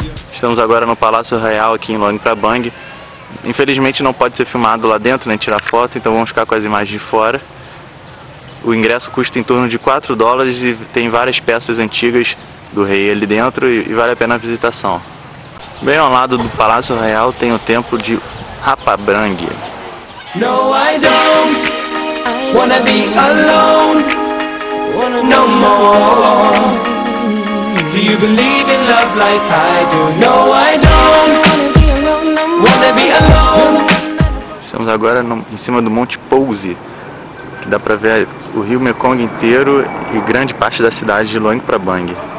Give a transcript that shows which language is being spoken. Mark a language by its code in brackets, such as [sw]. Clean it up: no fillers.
[pt] Estamos agora no Palácio Real aqui em Loing pra Bang. Infelizmente não pode ser filmado lá dentro nem tirar foto, então vamos ficar com as imagens de fora. O ingresso custa em torno de 4 dólares e tem várias peças antigas do rei ali dentro e vale a pena a visitação. Bem ao lado do Palácio Real tem o templo de Rapabrang. [en] No, I don't wanna be alone no more. Do you believe in love like I do? No, I don't wanna be alone. [pt] Estamos agora em cima do Monte Pouzi, que dá pra ver o rio Mekong inteiro e grande parte da cidade de Loing Prabang.